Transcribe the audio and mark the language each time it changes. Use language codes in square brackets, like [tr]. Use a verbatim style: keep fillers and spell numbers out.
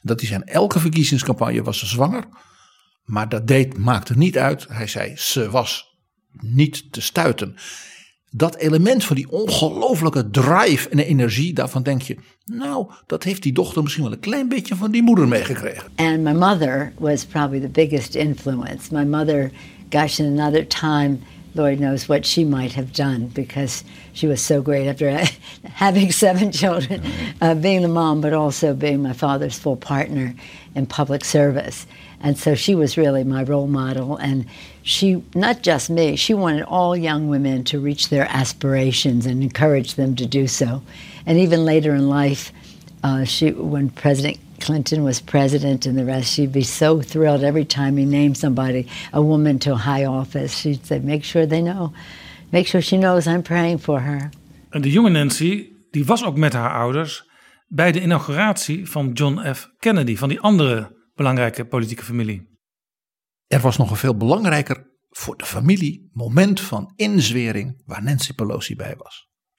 [nl] Dat hij zijn elke verkiezingscampagne was ze zwanger. Maar dat deed, maakte niet uit. Hij zei ze was niet te stuiten. Dat element van die ongelooflijke drive en energie. Daarvan denk je nou dat heeft die dochter misschien wel een klein beetje van die moeder meegekregen. [en] And my mother was probably the biggest influence. My mother, gosh, in another time, Lord knows what she might have done, because she was so great after having seven children, uh, being the mom, but also being my father's full partner in public service. And so she was really my role model. And she, not just me, she wanted all young women to reach their aspirations and encourage them to do so. And even later in life, uh, she, when President Clinton was president and the rest, she'd be so thrilled every time he named somebody, a woman to a high office. She'd say, make sure they know. Make sure she knows I'm praying for her. [nl] En de jonge Nancy, die was ook met haar ouders bij de inauguratie van John F. Kennedy, van die andere belangrijke politieke familie. Er was nog een veel belangrijker voor de familie moment van inzwering waar Nancy Pelosi bij was.